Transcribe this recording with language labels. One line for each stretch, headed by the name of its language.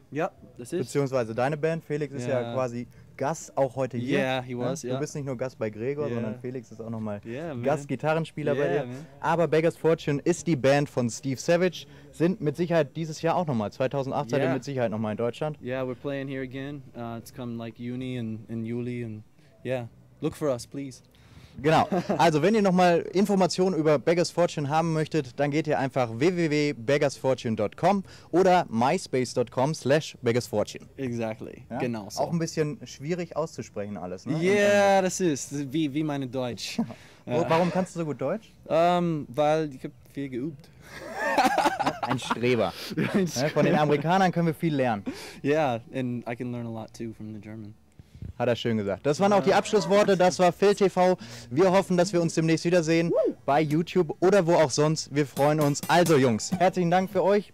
German: Ja, das ist. Beziehungsweise deine Band. Felix ist ja quasi Gast auch heute hier.
English: Yeah, he was,
German: Du bist nicht nur Gast bei Gregor, sondern Felix ist auch nochmal Gast-Gitarrenspieler bei dir.
English: Man.
German: Aber Beggar's Fortune ist die Band von Steve Savage. Sind mit Sicherheit dieses Jahr auch nochmal, 2018 seid ihr mit Sicherheit nochmal in Deutschland.
English: Yeah, we're playing here again. It's come like Juni and in Juli. And yeah, look for us, please.
German: Genau. Also wenn ihr nochmal Informationen über Beggar's Fortune haben möchtet, dann geht ihr einfach www.beggarsfortune.com oder myspace.com/beggarsfortune.
English: Exactly.
German: Ja? Genau so. Auch ein bisschen schwierig auszusprechen alles, ne? Yeah, das ist wie meine Deutsch. Warum kannst du so gut Deutsch? Weil ich habe viel geübt. Ein Streber. Von den Amerikanern können wir viel lernen.
English: Yeah, and I can learn a lot too from the German.
German: Hat er schön gesagt. Das waren auch die Abschlussworte. Das war PhilTV. Wir hoffen, dass wir uns demnächst wiedersehen bei YouTube oder wo auch sonst. Wir freuen uns. Also Jungs, herzlichen Dank für euch.